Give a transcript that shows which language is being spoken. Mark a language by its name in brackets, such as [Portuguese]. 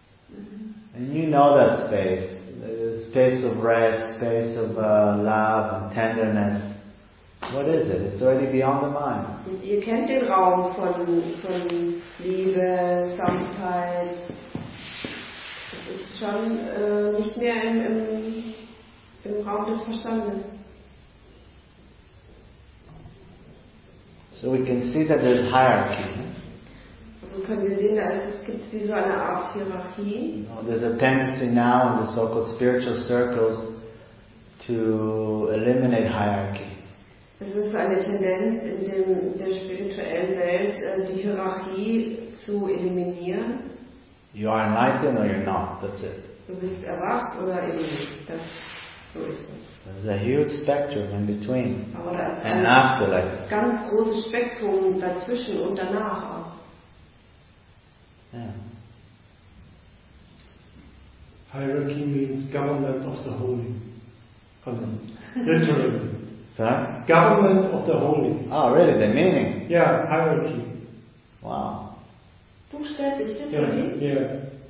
[English] When you know that space, the space of rest, space of love and tenderness, what is it? It's already beyond the mind. [German] You kennt den Raum von Liebe, Sanftheit. Es ist schon nicht mehr im Raum des Verstandes. [English] So we can see that there's hierarchy. [German] Also können wir sehen, dass es gibt wie so eine Art Hierarchie. [English] You know, there's a tendency now in the so-called spiritual circles to eliminate hierarchy. [German] Es ist eine Tendenz in der spirituellen Welt, die Hierarchie zu eliminieren. [English] You are enlightened or you're not. That's it. [German] Du bist erwacht oder eben nicht. So ist es. [English] There's a huge spectrum in between and afterlife. [German] Ganz großes Spektrum dazwischen und danach. [English] Yeah. Hierarchy means government of the holy. Literally. Government of the holy. Oh, really? The meaning? Yeah, hierarchy. Wow. [German] Buchstäblich, [English] literally? Yeah.